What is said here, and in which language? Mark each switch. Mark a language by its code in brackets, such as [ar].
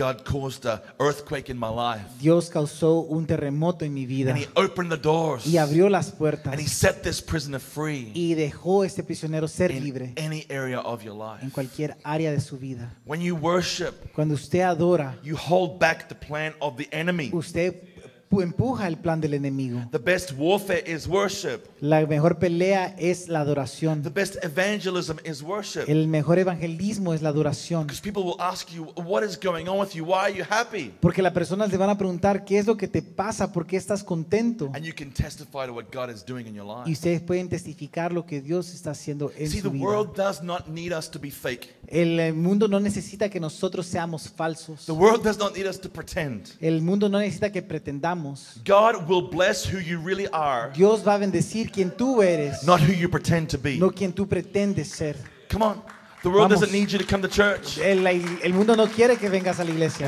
[en] God caused an earthquake in my life. [es] Dios causó un terremoto en mi vida. [en] And he opened the doors. [es] Y abrió las puertas. [en] And he set this prisoner free. [es] Y dejó este prisionero ser in libre. [en] Any area of your life. [es] En cualquier área de su vida. [en] When you worship, [es] cuando usted adora, [en] you hold back the plan of the enemy. [es] Usted empuja el plan del enemigo. [en] The best warfare is worship. [es] La mejor pelea es la adoración. [en] The best evangelism is worship. [es] El mejor evangelismo es la adoración. [en] Because people will ask you, what is going on with you? Why are you happy? [es] Porque las personas le van a preguntar, ¿qué es lo que te pasa? ¿Por qué estás contento? [en] And you can testify to what God is doing in your life. [es] Y ustedes pueden testificar lo que Dios está haciendo en su vida. [en] See, the world does not need us to be fake. [es] El mundo no necesita que nosotros seamos falsos. [en] The world does not need us to pretend. [es] El mundo no necesita que pretendamos. [en] God will bless who you really are. [es] Dios va a bendecir quien tú eres. [en] Not who you pretend to be. [es] No quien tú pretendes ser. [en] Come on. The world doesn't need you to come to church. [es] El mundo no quiere que vengas a la iglesia.